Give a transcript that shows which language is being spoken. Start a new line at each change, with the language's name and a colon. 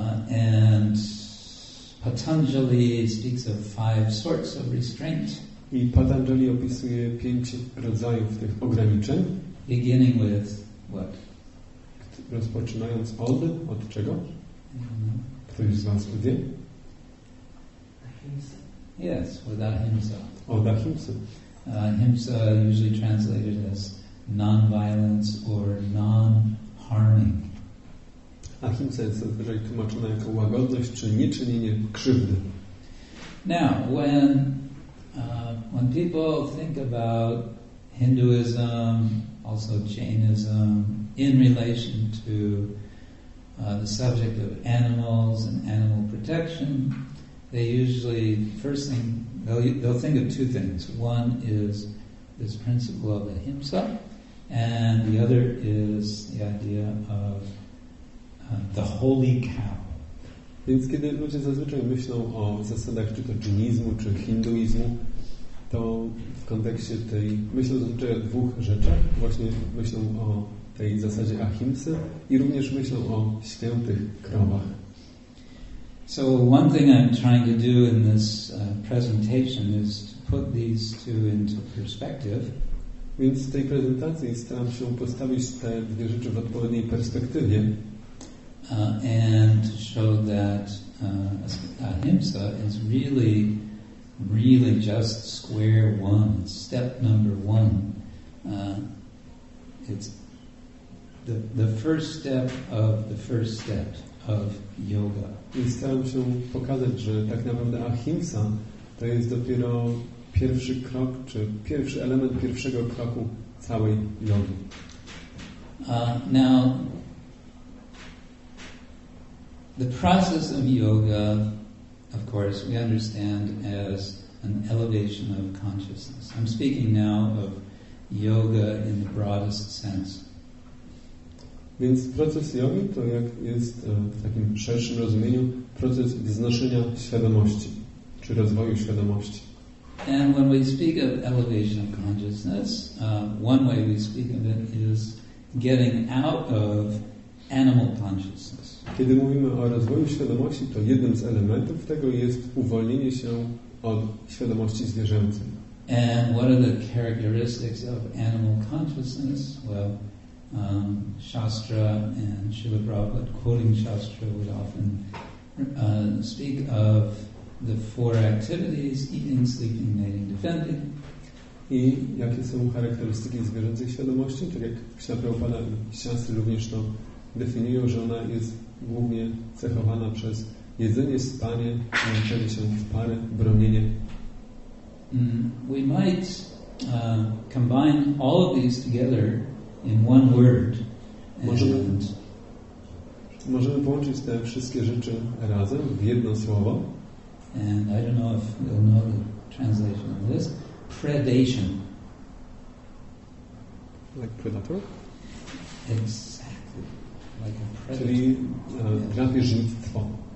English: And Patanjali speaks of five sorts of restraint.
Polish: I Patanjali opisuje pięć rodzajów tych ograniczeń.
English: Beginning with what?
Polish: Rozpoczynając od czego? Ktoś z Was wie?
English: Yes, with ahimsa.
Polish: Od ahimsa.
English: Ahimsa usually translated as non-violence or non-harming.
Polish: Ahimsa jest zazwyczaj tłumaczona jako łagodność czy nieczynienie krzywdy.
English: Now, when people think about Hinduism, also Jainism, in relation to the subject of animals and animal protection, they usually, first thing, they'll think of two things. One is this principle of ahimsa, and the other is the idea of the holy cow.
Polish: Więc kiedy ludzie zazwyczaj myślą o zasadach czy to dżinizmu, czy hinduizmu, to w kontekście tej myślą zazwyczaj o dwóch rzeczach. Właśnie myślą o tej zasadzie ahimsy i również myślą o świętych krowach.
English: So one thing I'm trying to do in this presentation is to put these two into perspective.
Polish: Więc w tej prezentacji staram się postawić te dwie rzeczy w odpowiedniej perspektywie.
English: And to show that ahimsa is really, really just square one, step number one. It's the first step of the first step of yoga.
Polish: I staram się pokazać, że tak naprawdę ahimsa to jest dopiero pierwszy krok, czy pierwszy element pierwszego kroku całej jogi.
English: Now, the process of yoga, of course, we understand as an elevation of consciousness. I'm speaking now of yoga in the broadest sense.
Polish: Więc proces jogi to jak jest w takim szerszym rozumieniu proces wznoszenia świadomości, czy rozwoju świadomości.
English: And when we speak of elevation of consciousness, one way we speak of it is getting out of animal consciousness.
Polish: Kiedy mówimy o rozwoju świadomości, to jednym z elementów tego jest uwolnienie się od świadomości zwierzęcej.
English: And what are the characteristics of animal consciousness? Well, Shastra and Srila Prabhupada, quoting Shastra, would often speak of the four activities: eating, sleeping, mating, defending.
Polish: I jakie są charakterystyki zwierzęcej świadomości? Tak jak Śrila Prabhupada i Shastra również to definiują, że ona jest głównie cechowana przez jedzenie, spanie, łączenie się w parę, bronienie.
English: We might combine all of these together in one word.
Polish: Możemy połączyć te wszystkie rzeczy razem w jedno słowo.
English: And I don't know if you'll know the translation of this. Predation. Like predator? Exactly. Like a predator.
Polish: Czyli drapieżnictwo.